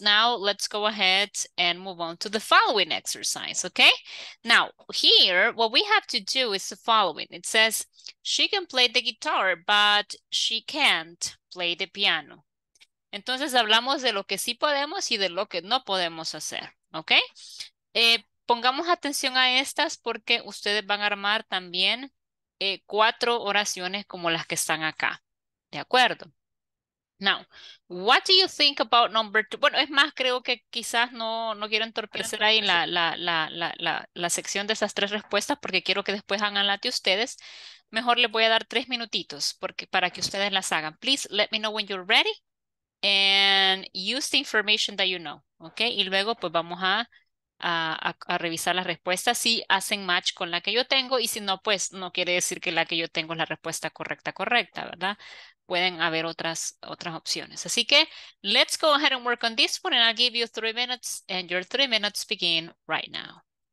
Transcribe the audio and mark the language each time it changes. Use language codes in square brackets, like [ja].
[en] Now let's go ahead and move on to the following exercise, okay? Now, here, what we have to do is the following. It says, she can play the guitar, but she can't play the piano. [es] Entonces, hablamos de lo que sí podemos y de lo que no podemos hacer, okay? Pongamos atención a estas porque ustedes van a armar también cuatro oraciones como las que están acá, ¿de acuerdo? [en] Now, what do you think about number two? [es] Bueno, es más, creo que quizás no quiero entorpecer ahí la sección de esas tres respuestas porque quiero que después hagan la de ustedes. Mejor les voy a dar tres minutitos para que ustedes las hagan. [en] Please let me know when you're ready and use the information that you know. Okay? [es] Y luego pues vamos a revisar las respuestas si hacen match con la que yo tengo y si no, pues no quiere decir que la que yo tengo es la respuesta correcta, ¿verdad? Pueden haber otras opciones. Así que, [en] let's go ahead and work on this one and I'll give you 3 minutes and your 3 minutes begin right now.